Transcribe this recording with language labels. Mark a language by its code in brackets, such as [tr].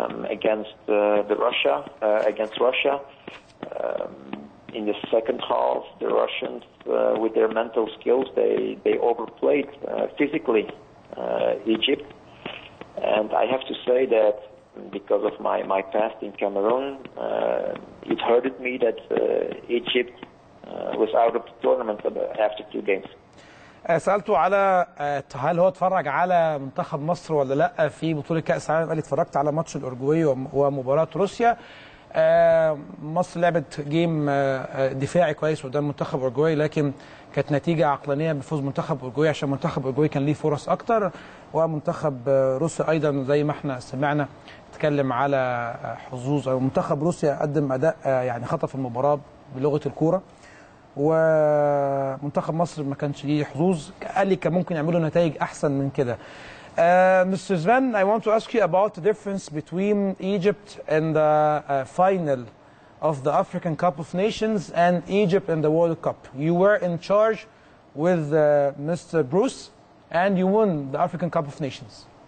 [en] against the Russia against Russia. In the second half, the Russians, with their mental skills, they overplayed physically Egypt. And I have to say that because of my past in Cameroon, it hurted me that Egypt was out of the tournament after two games. [ar] سألته على هل هو اتفرج على منتخب مصر ولا لا في بطولة كأس العالم، قال لي اتفرجت على ماتش الأورجواي ومباراة روسيا. مصر لعبت جيم دفاعي كويس قدام منتخب أورجواي، لكن كانت نتيجة عقلانية بفوز منتخب أورجواي عشان منتخب أورجواي كان ليه فرص أكتر، ومنتخب روسيا أيضا زي ما احنا سمعنا اتكلم على حظوظ منتخب روسيا، قدم أداء يعني خطف المباراة بلغة الكورة، ومنتخب مصر ما كانش ليه حظوظ، قال لي كان ممكن يعملوا نتائج احسن من كده. [en] Mr. Sven, I want to ask you about the difference between Egypt in the final of the African Cup of Nations and Egypt in the World Cup. You were in charge with Mr. Bruce and you won the African Cup of Nations.